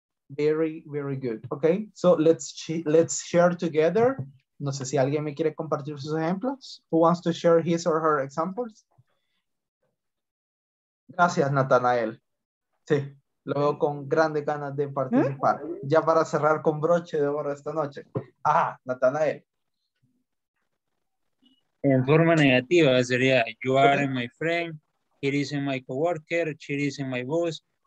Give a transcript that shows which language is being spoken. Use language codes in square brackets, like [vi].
[en] Very, very good. Okay, so let's share together. [es] No sé si alguien me quiere compartir sus ejemplos. [en] Who wants to share his or her examples? [es] Gracias, Natanael. Sí, lo veo con grandes ganas de participar. ¿Eh? Ya para cerrar con broche de oro esta noche. Ajá, Natanael. En forma negativa sería, [en] you are my friend, it is my coworker, she is my boss.